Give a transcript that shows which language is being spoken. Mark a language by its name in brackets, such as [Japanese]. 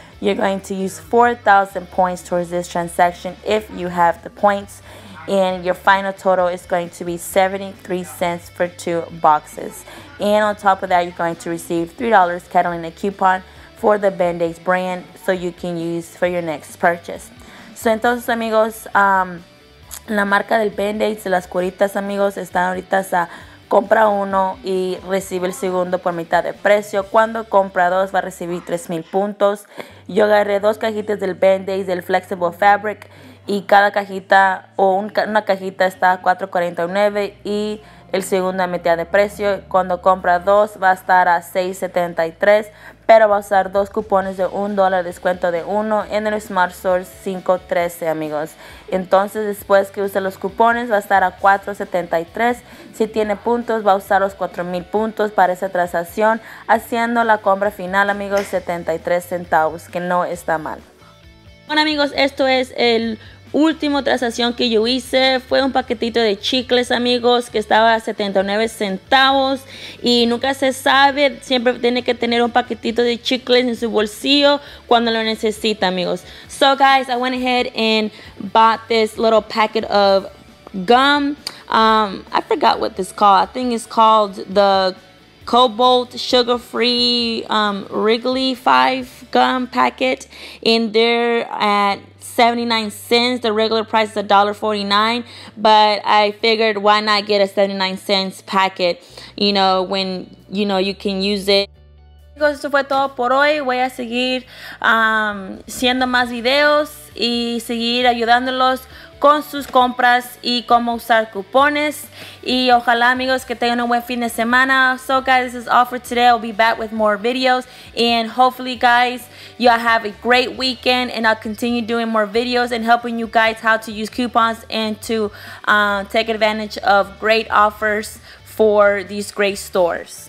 [English] You're going to use 4,000 points towards this transaction if you have the points. And your final total is going to be 73 cents for two boxes. And on top of that, you're going to receive $3 Catalina coupon for the Band-Aids brand, so you can use for your next purchase. [Spanish] So entonces, amigos, La marca del Band-Aid, las curitas, amigos, están ahorita a compra uno y recibe el segundo por mitad de precio. Cuando compra dos, va a recibir 3,000 puntos. Yo agarré dos cajitas del Band-Aid, del Flexible Fabric, y cada cajita o una cajita está a $4.49 y el segundo a mitad de precio. Cuando compra dos, va a estar a $6.73, pero va a usar dos cupones de $1 descuento de uno en el Smart Source 513, amigos. Entonces, después que use los cupones, va a estar a $4.73. Si tiene puntos, va a usar los 4,000 puntos para esa transacción, haciendo la compra final, amigos, 73 centavos, que no está mal. Bueno, amigos, esto es el último transacción que yo hice. Fue un paquetito de chicles, amigos, que estaba a 79 centavos. Y nunca se sabe, siempre tiene que tener un paquetito de chicles en su bolsillo cuando lo necesita, amigos. [English] So, guys, I went ahead and bought this little packet of gum. I forgot what this is called. I think it's called the Cobalt Sugar Free Wrigley 5 gum packet in there at 79 cents. The regular price is $1.49, but I figured why not get a 79 cents packet, you know, when you know you can use it. [Spanish] Amigos, eso fue todo por hoy. Voy a seguir haciendo más videos y seguir ayudándolos con sus compras y cómo usar cupones. Y ojalá, amigos, que tengan un buen fin de semana. [English] So, guys, this is all for today. I'll be back with more videos. And hopefully, guys, y'all have a great weekend. And I'll continue doing more videos and helping you guys how to use coupons and to take advantage of great offers for these great stores.